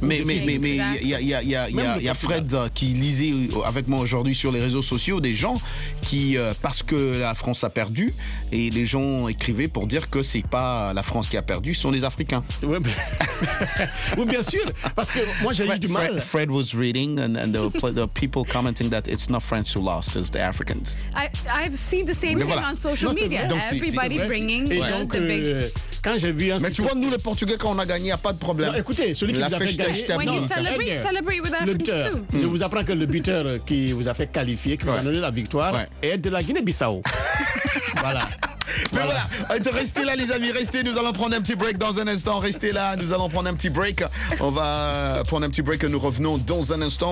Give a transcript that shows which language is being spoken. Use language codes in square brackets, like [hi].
[fr] Mais il y a Fred qui lisait avec moi aujourd'hui sur les réseaux sociaux des gens qui, parce que la France a perdu, et les gens écrivaient pour dire que c'est pas la France qui a perdu, ce sont les Africains. Oui, bien sûr, parce que moi j'ai eu du mal. [en] Fred was reading and the people commenting that it's not France who lost, it's the Africans. I've seen the same thing on social media. Donc, everybody bringing the big... [fr] Quand j'ai vu Mais tu vois, nous les Portugais, quand on a gagné, il n'y a pas de problème. Non, écoutez, celui qui la vous a fait gagner. [en] When you celebrate, celebrate with Africans too. [fr] Je vous apprends que le buteur qui vous a fait qualifier, qui vous a donné la victoire, est de la Guinée-Bissau. Voilà. Mais voilà. Voilà, restez là les amis, restez, nous allons prendre un petit break dans un instant, restez là, nous allons prendre un petit break, on va prendre un petit break et nous revenons dans un instant.